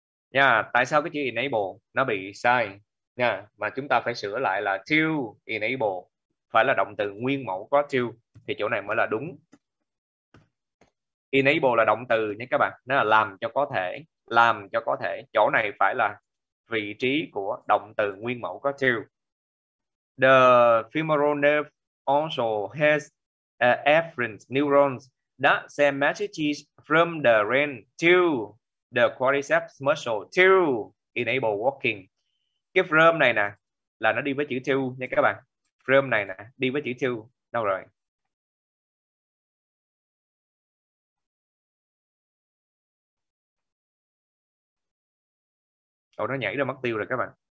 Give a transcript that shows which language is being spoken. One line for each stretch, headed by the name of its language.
Vietnamese: Nha, tại sao cái chữ enable nó bị sai nha, mà chúng ta phải sửa lại là to enable, phải là động từ nguyên mẫu có to thì chỗ này mới là đúng. Enable là động từ nha các bạn, nó là làm cho có thể, làm cho có thể. Chỗ này phải là vị trí của động từ nguyên mẫu có to.
English: The femoral nerve also has afferent neurons that send messages from the brain to the quadriceps muscle to enable walking.
Vietnamese: Cái from này nè là nó đi với chữ to nha các bạn. From này nè đi với chữ to. Đâu rồi? Ủa nó nhảy ra mất tiêu rồi các bạn.